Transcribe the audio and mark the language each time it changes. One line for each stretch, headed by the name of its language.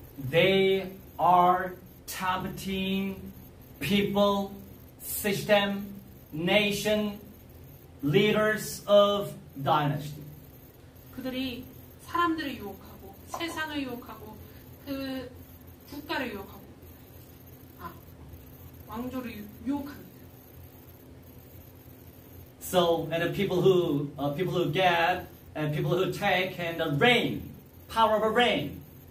English: They are tempting people, system, nation, leaders of dynasty.
Korean: 그들이 사람들을 유혹하고 세상을 유혹하고 그 국가를 유혹하고 왕조를 유혹하는.
English: So and the people who get and people who take and the reign, power of a reign.